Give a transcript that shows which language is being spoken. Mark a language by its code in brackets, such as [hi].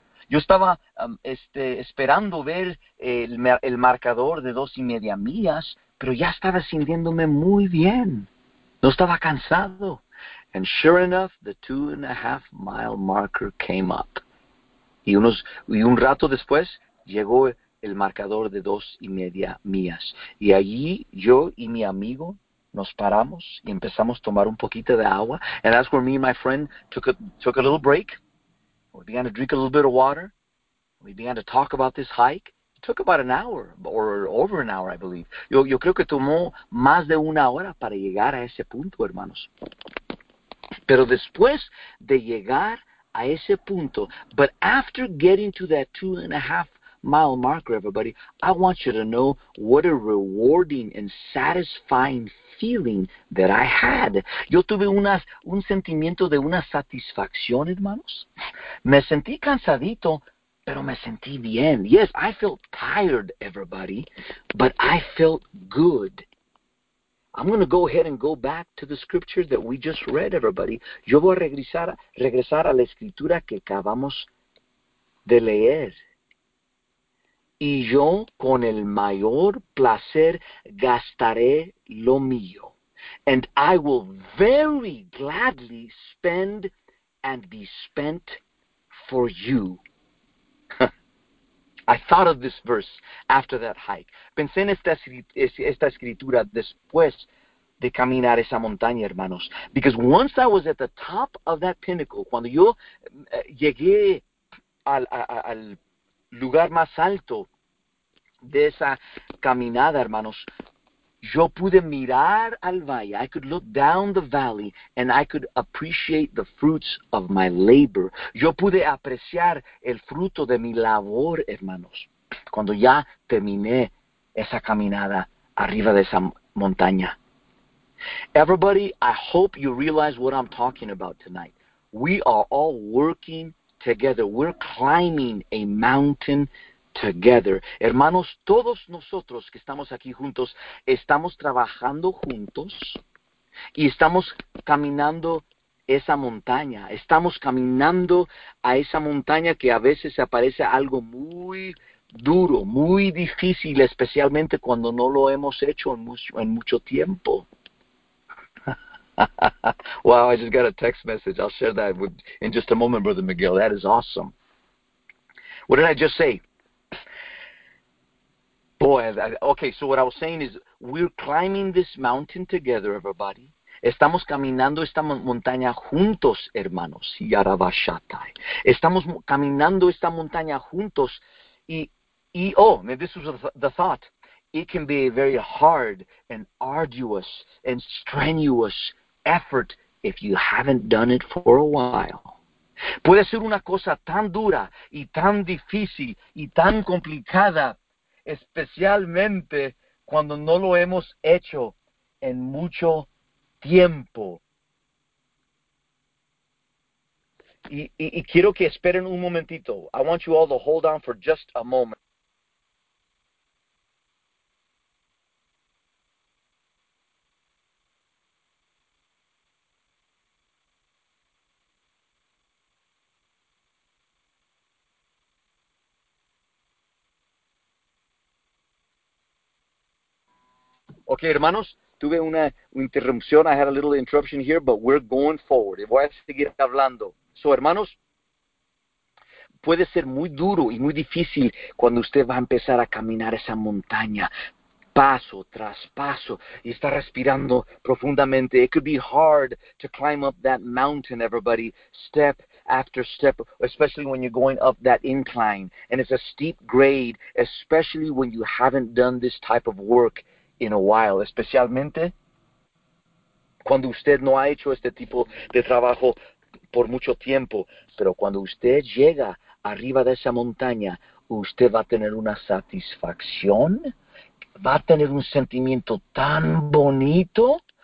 [es] Yo estaba esperando ver el marcador de 2.5 millas, pero ya estaba sintiéndome muy bien. No estaba cansado. [en] And sure enough, the 2.5 mile marker came up. [es] Y un rato después, llegó el marcador de 2.5 millas. Y allí, yo y mi amigo nos paramos y empezamos a tomar un poquito de agua. [en] And that's where me and my friend took a little break. We began to drink a little bit of water. We began to talk about this hike. It took about an hour, or over an hour, I believe. [es] Yo creo que tomó más de una hora para llegar a ese punto, hermanos. Pero después de llegar a ese punto, [en] but after getting to that 2.5 mile marker, everybody, I want you to know what a rewarding and satisfying feeling that I had. [es] Yo tuve un sentimiento de una satisfacción, hermanos. Me sentí cansadito, Pero me sentí bien. [en] Yes, I felt tired, everybody, but I felt good. I'm going to go ahead and go back to the scripture that we just read, everybody. [es] Yo voy a regresar a la escritura que acabamos de leer. Y yo con el mayor placer gastaré lo mío. [en] And I will very gladly spend and be spent for you. I thought of this verse after that hike. [es] Pensé en esta escritura después de caminar esa montaña, hermanos. [en] Because once I was at the top of that pinnacle, [es] cuando yo llegué al lugar más alto de esa caminada, hermanos, yo pude mirar al valle. [en] I could look down the valley and I could appreciate the fruits of my labor. [es] Yo pude apreciar el fruto de mi labor, hermanos, cuando ya terminé esa caminada arriba de esa montaña. [en] Everybody, I hope you realize what I'm talking about tonight. We are all working together. We're climbing a mountain together. [es] Hermanos, todos nosotros que estamos aquí juntos, estamos trabajando juntos y estamos caminando esa montaña. Estamos caminando a esa montaña que a veces aparece algo muy duro, muy difícil, especialmente cuando no lo hemos hecho en mucho tiempo. [en] Wow, I just got a text message. I'll share that in just a moment, Brother Miguel. That is awesome. What did I just say? Boy, okay, so what I was saying is we're climbing this mountain together, everybody. [es] Estamos caminando esta montaña juntos, hermanos. Yarabashatai. Estamos caminando esta montaña juntos. [en] And this was the thought. It can be a very hard and arduous and strenuous effort if you haven't done it for a while. [es] Puede ser una cosa tan dura y tan difícil y tan complicada, especialmente cuando no lo hemos hecho en mucho tiempo. Y quiero que esperen un momentito. [en] I want you all to hold on for just a moment. [es] Okay, hermanos, tuve una interrupción. [en] I had a little interruption here, but we're going forward. [es] Y voy a seguir hablando. So, hermanos, puede ser muy duro y muy difícil cuando usted va a empezar a caminar esa montaña, paso tras paso, y está respirando profundamente. [en] It could be hard to climb up that mountain, everybody, step after step, especially when you're going up that incline. And it's a steep grade, especially when you haven't done this type of work in a while, [es] especialmente cuando usted no ha hecho este tipo de trabajo por mucho tiempo, pero cuando usted llega arriba de esa montaña, usted va a tener una satisfacción, va a tener un sentimiento tan bonito.